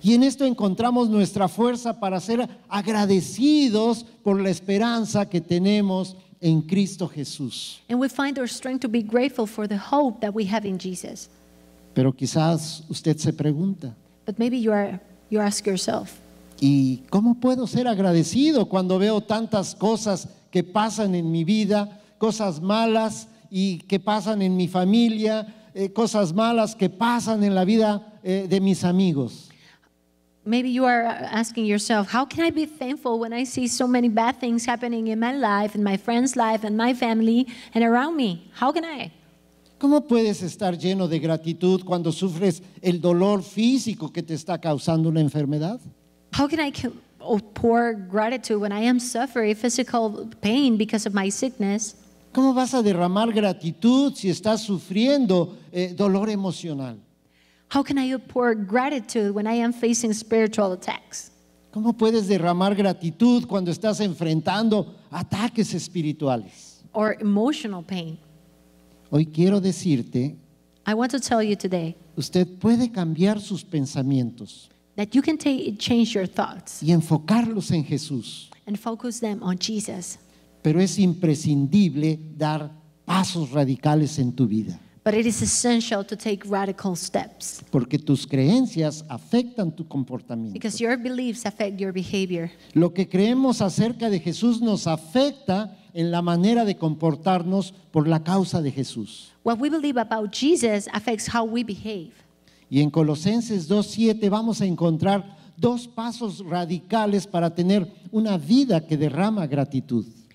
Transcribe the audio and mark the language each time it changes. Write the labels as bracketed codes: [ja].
[es] Y en esto encontramos nuestra fuerza para ser agradecidos por la esperanza que tenemos en Cristo Jesús. [en] And we find our strength to be grateful for the hope that we have in Jesus. [es] Pero quizás usted se pregunta, [en] but maybe you ask yourself, [es] ¿y cómo puedo ser agradecido cuando veo tantas cosas que pasan en mi vida, cosas malas y que pasan en mi familia, cosas malas que pasan en la vida de mis amigos? [en] Maybe you are asking yourself, how can I be thankful when I see so many bad things happening in my life, in my friend's life, and my family, and around me? How can I? [es] ¿Cómo puedes estar lleno de gratitud cuando sufres el dolor físico que te está causando una enfermedad? [en] How can I pour gratitude when I am suffering physical pain because of my sickness? [es] ¿Cómo vas a derramar gratitud si estás sufriendo dolor emocional? [en] How can I pour gratitude when I am facing spiritual attacks? [es] ¿Cómo puedes derramar gratitud cuando estás enfrentando ataques espirituales? [en] Or emotional pain. [es] Hoy quiero decirte, [en] I want to tell you today, [es] usted puede cambiar sus pensamientos, [en] that you can change your thoughts, [es] y enfocarlos en Jesús, [en] and focus them on Jesus. [es] Pero es imprescindible dar pasos radicales en tu vida. [en] But it is essential to take radical steps. [es] Porque tus creencias afectan tu comportamiento. [en] Because your beliefs affect your behavior. [es] Lo que creemos acerca de Jesús nos afecta en la manera de comportarnos por la causa de Jesús. [en] What we believe about Jesus affects how we behave. [es] Y en Colosenses 2:7 vamos a encontrar dos pasos radicales para tener una vida que derrama gratitud.